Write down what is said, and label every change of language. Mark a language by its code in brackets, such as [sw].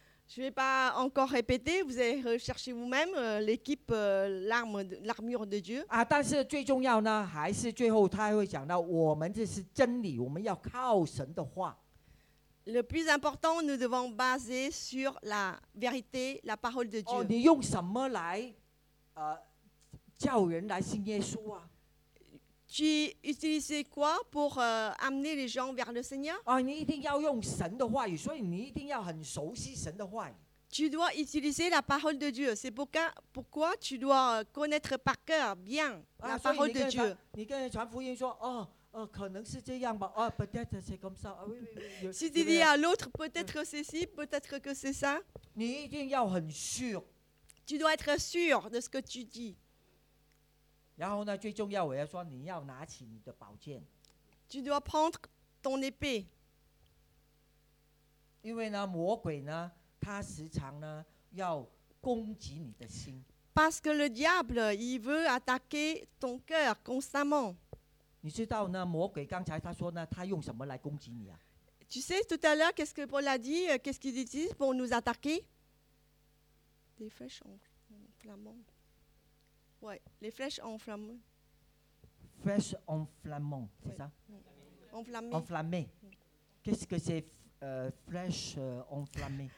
[fr] Je vais pas encore répéter, vous allez rechercher vous-même l'équipe, l'armure de Dieu. [zh] 啊，但是最重要呢，还是最后他会讲到，我们这是真理，我们要靠神的话。 [fr] Le plus important, nous devons baser sur la vérité, la parole de Dieu. [zh] 哦，你用什么来，叫人来信耶稣啊 [fr] ？Tu utilises quoi pour amener les gens vers le Seigneur？ [zh] 哦，你一定要用神的话语，所以你一定要很熟悉神的话语。 [fr] Tu dois utiliser la parole de Dieu. C'est pourquoi tu dois connaître par cœur bien la parole de Dieu. [zh] 你跟人传福音说，哦。可能是这样吧。 [fr] peut-être c'est comme ça. Si tu dis à l'autre, peut-être que c'est ci, peut-être que c'est ça. [zh] 你一定要很 sûr. [fr] Tu dois être sûr de ce que tu dis. [zh] 然后呢，最重要我要说，你要拿起你的宝剑。 [fr] Tu dois prendre ton épée. [zh] 因为呢，魔鬼呢，他时常呢要攻击你的心。 [fr] Parce que le diable, il veut attaquer ton cœur constamment. [zh] 你知道呢？魔鬼刚才他说呢，他用什么来攻击你啊 [fr] ？Tu sais tout à l'heure qu'est-ce que Paul a dit? Qu'est-ce qu'il utilise pour nous attaquer? Des flèches enflammantes. Ouais, les flèches enflammantes. Flèches enflammantes, c'est ouais. ça? Enflammées. Enflammées. Qu'est-ce que c'est flèches enflammées?